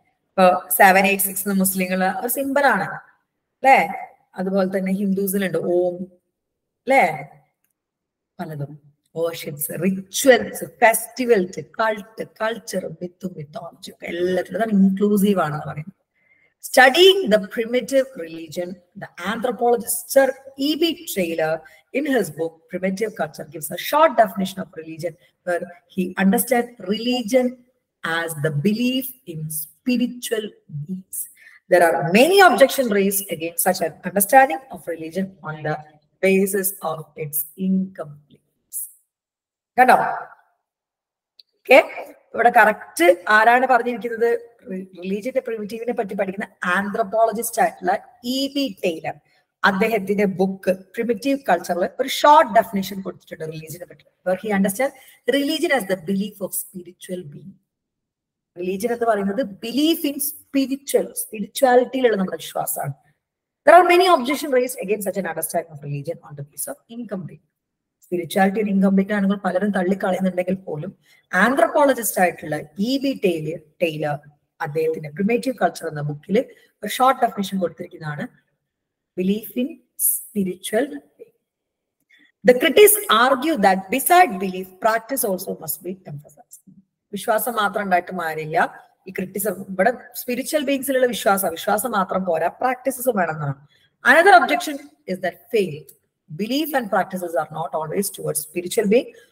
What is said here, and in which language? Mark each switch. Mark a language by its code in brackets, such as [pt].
[ml] ഇപ്പോ 7, 8, 6 എന്ന മുസ്ലിങ്ങള് ഒരു സിമ്പിളാണ് അല്ലേ, അതുപോലെ തന്നെ ഹിന്ദുസിലുണ്ട് ഓം അല്ലേ, പലതും worships, rituals, festivals, cult, culture, മിത്തും mythology ഒക്കെ എല്ലാത്തിലും അതാണ് ഇൻക്ലൂസീവ് ആണെന്ന് പറയുന്നത്. [en] Studying the primitive religion, the anthropologist Sir E.B. Traylor, in his book Primitive Culture, gives a short definition of religion, where he understands religion as the belief in spiritual beings. There are many objections raised against such an understanding of religion on the basis of its incompleteness. Got it? Okay? [ml] ഇവിടെ correct ആരാണ് പറഞ്ഞിരിക്കുന്നത്, റിലീജിയന്റെ പ്രിമിറ്റീവിനെ പറ്റി പഠിക്കുന്ന anthropologist ആയിട്ടുള്ള EB. Taylor അദ്ദേഹത്തിന്റെ book primitive കൾച്ചറിൽ ഒരു short definition കൊടുത്തിട്ടുണ്ട് റിലീജിയനെ പറ്റി. [en] He understand religion as the belief of spiritual being. [ml] Religion എന്ന് പറയുന്നത് [en] belief in spiritual, [ml] സ്പിരിച്വാലിറ്റിയിലുള്ള നമ്മുടെ വിശ്വാസമാണ്. [en] There are many objections raised against such an understanding of religion on the basis of incomplete. [ml] Spirituality ഒരു incomplete ആണെങ്കിൽ പലരും തള്ളിക്കളയുന്നുണ്ടെങ്കിൽ പോലും anthropologist ആയിട്ടുള്ള EB. Taylor അദ്ദേഹത്തിന്റെ പ്രിമേറ്റീവ് കൾച്ചർ എന്ന ബുക്കിൽ ഒരു short definition കൊടുത്തിരിക്കുന്നതാണ് [en] Belief in spiritual. The critics argue that beside belief practice also must be emphasise. [ml] വിശ്വാസം മാത്രം ഉണ്ടായിട്ട് മാറില്ല ഈ ക്രിട്ടിസം, ഇവിടെ സ്പിരിച്വൽ ബീങ്സിലുള്ള വിശ്വാസം, വിശ്വാസം മാത്രം പോരാ പ്രാക്ടീസും വേണമെന്നാണ്. Another objection is that faith, belief and practices are not always towards spiritual being.